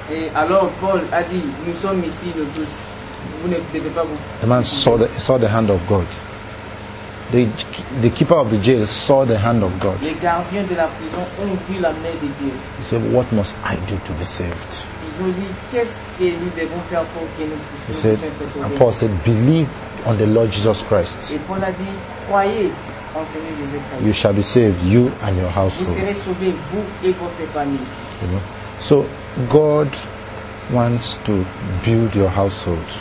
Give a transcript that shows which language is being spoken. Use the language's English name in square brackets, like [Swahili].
[French] Et alors Paul a dit, "Nous sommes ici, nous tous. Vous ne devez pas vous." [English] The man saw the hand of God. The keeper of the jail saw the hand of God. [French] Les gardiens de la prison ont vu la main de Dieu. [English] He said, "What must I do to be saved?" [French] Ils ont dit, qu'est-ce que nous devons faire pour que nous puissions être sauvés? [English] He said, and Paul said, "Believe on the Lord Jesus Christ." [French] Et Paul a dit, croyez en Seigneur Jésus-Christ. [English] You shall be saved, you and your household. [French] Vous serez sauvés, vous et votre famille. [English] You know? So God wants to build your household.